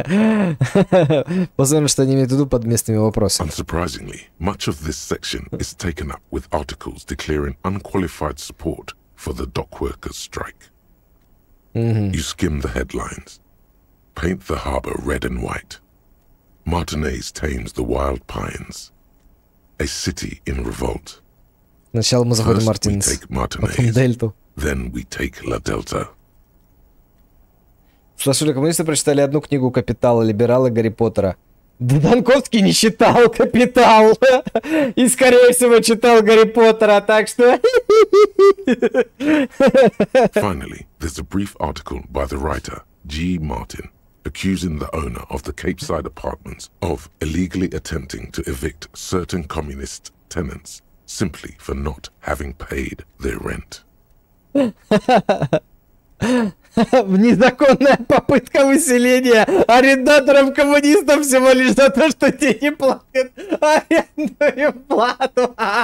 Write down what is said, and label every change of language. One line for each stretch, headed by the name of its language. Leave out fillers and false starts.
Russian: Посмотрим, что они имеют в виду под местными вопросами.
English: Unsurprisingly, much of this section is taken up with articles declaring unqualified support for the dockworkers' strike. You skim the headlines. Paint the harbor red and white. Martinez tames the wild pines. A city in revolt.
Russian: Сначала мы заходим Мартинес, потом Дельту.
English: Then we take La Delta.
Russian: Слушай, коммунисты прочитали одну книгу «Капитала», «Либералы», «Гарри Поттера». Да Донковский не читал «Капитал» и, скорее всего, читал «Гарри Поттера», так что...
English: Finally, there's a brief article by the writer G. Martin, accusing the owner of the Cape Side apartments of illegally attempting to evict certain communist tenants simply for not having paid their rent.
Russian: Незаконная попытка выселения арендаторов коммунистов всего лишь за то, что те не платят арендную плату.